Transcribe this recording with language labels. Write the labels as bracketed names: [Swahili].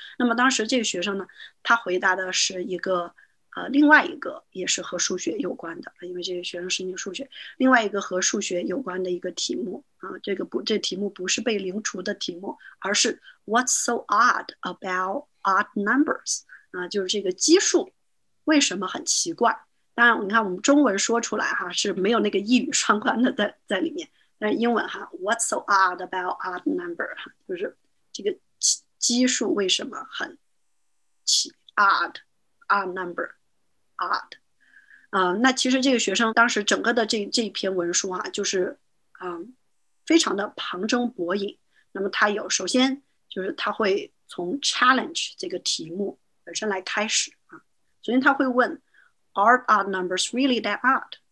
[Chinese] 那么当时这个学生呢，他回答的是一个另外一个也是和数学有关的，因为这个学生是念数学，另外一个和数学有关的一个题目啊，这题目不是被零除的题目，而是 [English] What's so odd about odd numbers？ [Chinese] 啊，就是这个奇数为什么很奇怪？当然，你看我们中文说出来哈是没有那个一语双关的在里面。但是英文哈， [English] What's so odd about odd number？ [Chinese] 哈，就是这个奇数为什么很奇？ [English] odd number odd。 [Chinese] 那其实这个学生当时整个的这一篇文书啊，就是非常的旁征博引。那么他有首先就是他会从 challenge 这个题目本身来开始啊，首先他会问。 [English] Are odd numbers really that odd？